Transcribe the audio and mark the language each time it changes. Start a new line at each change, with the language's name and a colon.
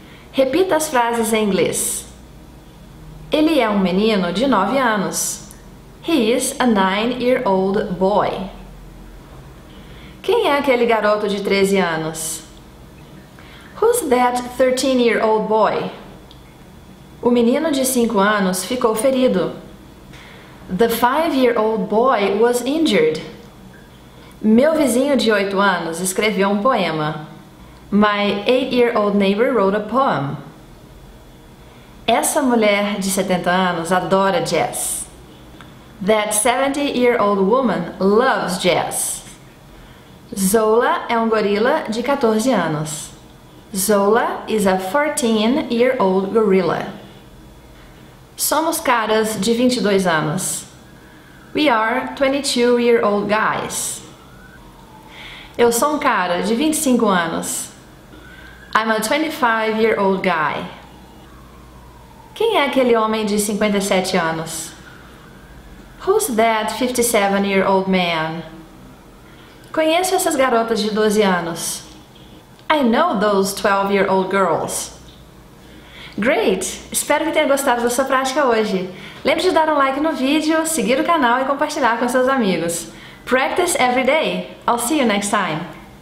Portuguese: Repita as frases em inglês. Ele é um menino de 9 anos.
English: He is a 9-year-old boy.
Portuguese: Quem é aquele garoto de 13 anos?
English: Who's that 13-year-old boy?
Portuguese: O menino de 5 anos ficou ferido.
English: The 5-year-old boy was injured.
Portuguese: Meu vizinho de 8 anos escreveu um poema.
English: My 8-year-old neighbor wrote a poem.
Portuguese: Essa mulher de 70 anos adora jazz.
English: That 70-year-old woman loves jazz.
Portuguese: Zola é um gorila de 14 anos.
English: Zola is a 14-year-old gorilla.
Portuguese: Somos caras de 22 anos.
English: We are 22-year-old guys.
Portuguese: Eu sou um cara de 25 anos.
English: I'm a 25-year-old guy.
Portuguese: Quem é aquele homem de 57 anos?
English: Who's that 57-year-old man?
Portuguese: Conheço essas garotas de 12 anos.
English: I know those 12-year-old girls. Great!
Portuguese: Espero que tenha gostado da sua prática hoje. Lembre de dar um like no vídeo, seguir o canal e compartilhar com seus amigos.
English: Practice every day! I'll see you next time!